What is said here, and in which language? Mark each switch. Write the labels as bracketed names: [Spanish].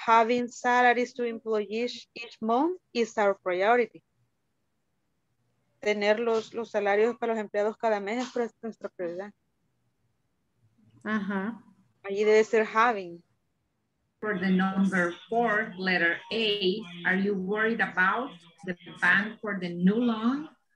[English] Having salaries to employees each month is our priority. [Spanish] Tener los salarios para los empleados cada mes es nuestra prioridad. Ajá. Allí debe ser having. [English] For the number four, letter A, are you worried about the bank for the new loan?